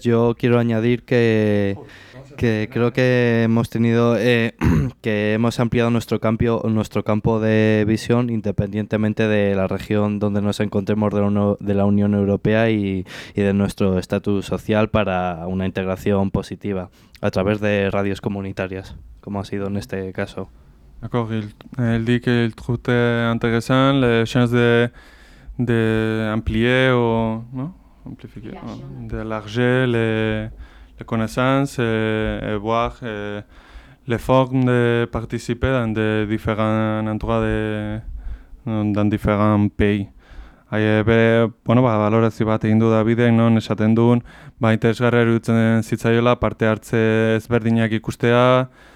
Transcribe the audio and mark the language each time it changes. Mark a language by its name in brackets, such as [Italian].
[Spanish] Yo quiero añadir que creo que hemos tenido que hemos ampliado nuestro campo de visión independientemente de la región donde nos encontremos de la Unión Europea y de nuestro estatus social para una integración positiva a través de radios comunitarias, como ha sido en este caso. [French] D'accord, il dit qu'il trouvait intéressant la chance d'amplier ou non amplifier, d'élargir les connaissances et voir les formes de participer dans des différents endroits dans différents pays. [Basque] Balorazio bat egin du Davidek, non esaten duen, interesgarria iruditzen zitzaiola parte hartze ezberdinak ikustea,